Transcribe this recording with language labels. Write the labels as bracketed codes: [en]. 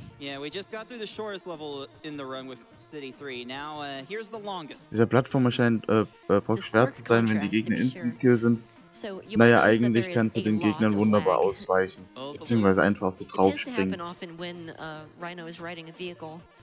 [en] Yeah, we just got through the shortest level in the run with City 3. Now, here's the longest. [de] Dieser Plattformer scheint voll schwer zu sein, wenn die Gegner instant kill sind. Naja, eigentlich kannst du den Gegnern wunderbar ausweichen. Beziehungsweise einfach so drauf springen. [en] It does happen often when Rhino is riding a vehicle.